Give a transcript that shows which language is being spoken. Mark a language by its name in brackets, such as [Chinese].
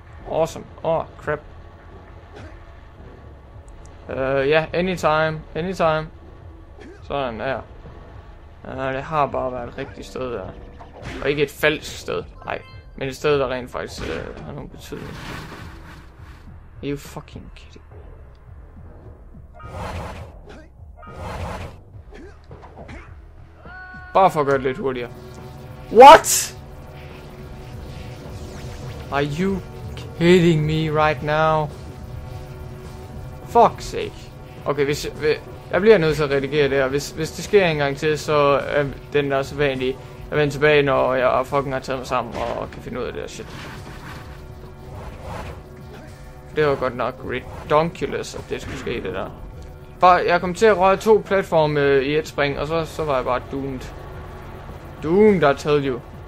[English] Awesome. Crap. Anytime. Anytime. [Danish] Sådan der. Det har bare været et rigtigt sted der. Og ikke et falsk sted, nej. Men et sted, der rent faktisk har nogen betydning. [English] Are you fucking kidding? [Danish] Bare for at gøre det lidt hurtigere. [English] What? Are you kidding me right now? Fuck's sake. [Danish] Okay, hvis jeg bliver nødt til at redigere det her. Hvis det sker en gang til, så er den der så vanlig. Jeg vender tilbage, når jeg fucking har taget mig sammen og kan finde ud af det her shit. Det var godt nok ridiculous, at det skulle ske det der. bare, jeg kom til at røre to platforme i et spring, og så var jeg bare doomed. [English] Doomed, I tell you.